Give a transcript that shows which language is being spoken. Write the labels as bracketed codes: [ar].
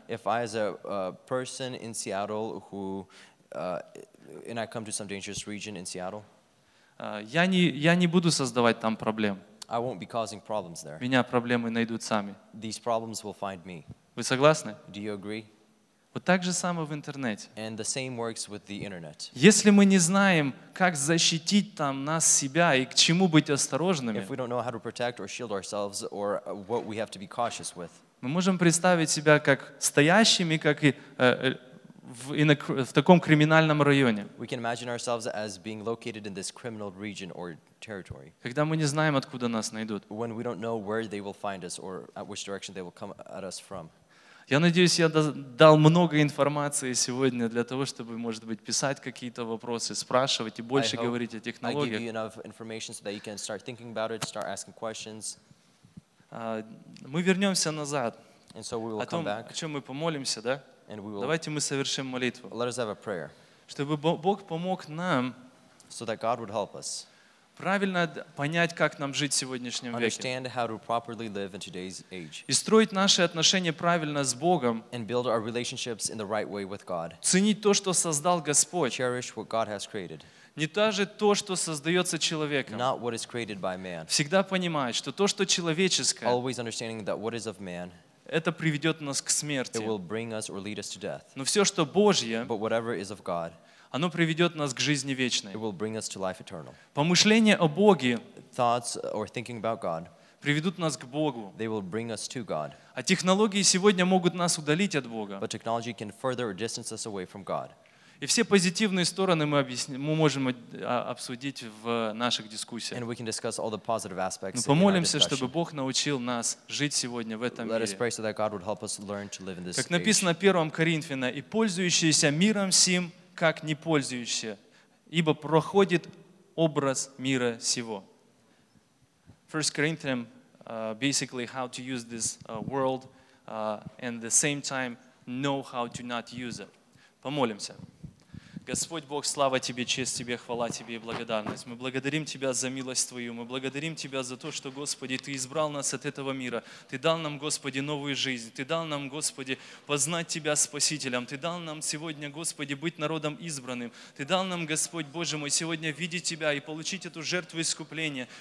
[en] if I as a person in Seattle who and I come to some dangerous region in Seattle, [ru] я не буду создавать там проблем. [en] I won't be causing problems there. [ru] Меня проблемы найдут сами. [en] These problems will find me. [ru] Вы согласны? [en] Do you agree? [ru] Вот так же самое в интернете. [en] And the same works with the internet. [ru] Если мы не знаем, как защитить там нас, себя, и к чему быть осторожными, [en] if we don't know how to protect or shield ourselves or what we have to be cautious with, [ru] мы можем представить себя как стоящими, как и в таком криминальном районе. [en] We can imagine ourselves as being located in this criminal region or territory. [ru] Когда мы не знаем, откуда нас найдут. [en] When we don't know where they will find us or at which direction they will come at us from. [ru] Я надеюсь, я дал много информации сегодня для того, чтобы, может быть, писать какие-то вопросы, спрашивать и больше говорить о технологиях. [en] I give you enough information so that you can start thinking about it, start asking questions. [ru] Мы вернемся назад. [en] And so we will come back. [ru] О чем мы помолимся, да? [en] And we will, [ru] давайте мы совершим молитву. [en] Let us have a prayer. [ru] Чтобы Бог помог нам, [en] so that God would help us, [ru] правильно понять, как нам жить в сегодняшнем веке. [en] Understand how to properly live in today's age. [ru] И строить наши отношения правильно с Богом. [en] And build our relationships in the right way with God. [ru] Ценить то, что создал Господь. [en] Cherish what God has created. [ru] Не даже то, что создается человеком. [en] Not what is created by man. [ru] Всегда понимать, что то, что человеческое. [en] Always understanding that what is of man. [ru] Это приведет нас к смерти. [en] It will bring us or lead us to death. [ru] Но все, что Божье, [en] but whatever is of God, [ru] оно приведет нас к жизни вечной. [en] It will bring us to life eternal. [ru] Помышления о Боге, [en] thoughts or thinking about God, [ru] приведут нас к Богу. [en] They will bring us to God. [ru] А технологии сегодня могут нас удалить от Бога. [en] But technology can further or distance us away from God. [ru] И все позитивные стороны мы можем обсудить в наших дискуссиях. [en] And we can discuss all the positive aspects. [ru] Но помолимся, чтобы Бог научил нас жить сегодня в этом мире. [en] Let us pray so that God would help us learn to live in this [ru] age. Как написано в 1 Коринфянам, и пользующиеся миром сим, как не пользующие, ибо проходит образ мира сего. [en] 1 Corinthians, basically how to use this world and at the same time know how to not use it. [ru] Помолимся. Господь Бог, слава Тебе, честь Тебе, хвала Тебе и благодарность. Мы благодарим Тебя за милость Твою. Мы благодарим Тебя за то, что, Господи, Ты избрал нас от этого мира. Ты дал нам, Господи, новую жизнь. Ты дал нам, Господи, познать Тебя Спасителем. Ты дал нам сегодня, Господи, быть народом избранным. Ты дал нам, Господь, Боже мой, сегодня видеть Тебя и получить эту жертву искупления.